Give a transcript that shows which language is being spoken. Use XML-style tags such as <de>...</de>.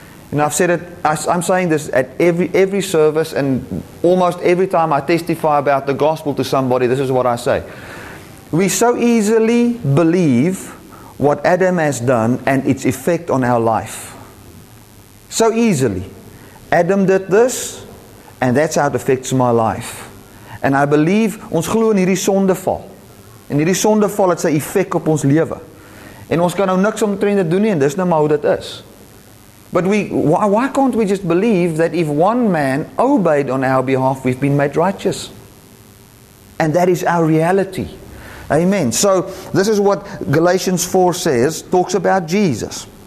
<en>And I've said it, I'm saying this at every service, and almost every time I testify about the gospel to somebody, this is what I say. We so easily believe what Adam has done and its effect on our life. So easily. Adam did this, and that's how it affects my life. And I believe,</en> <af>ons glo in hierdie sondeval. En hierdie sondeval het sy effect op ons lewe. En ons kan nou niks omtrent dit doen nie, en dis nou maar hoe dit is.</af> <en>But why can't we just believe that if one man obeyed on our behalf, we've been made righteous? And that is our reality. Amen. So this is what Galatians 4 says, talks about Jesus.</en>